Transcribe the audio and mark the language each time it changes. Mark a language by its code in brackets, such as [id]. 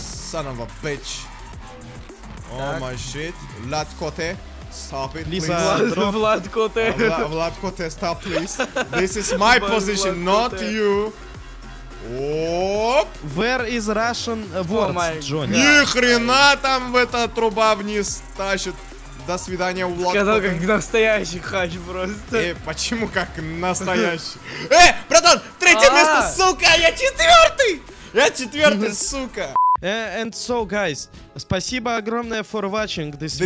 [en] Son of a bitch. Oh my shit. Lightcote, stop it, please. Vladcote. Vladcote, stop, please. This is my position, not you. Оп! Where is Russian words, Джонни? [ru] Ни хрена там в эта труба вниз тащит. До свидания, Влад. Сказал, как настоящий хач просто. Почему как настоящий? Братан, третье место, сука, я четвертый! Я четвертый, сука! [en] And so, guys, [ru] спасибо огромное [en] for watching this video.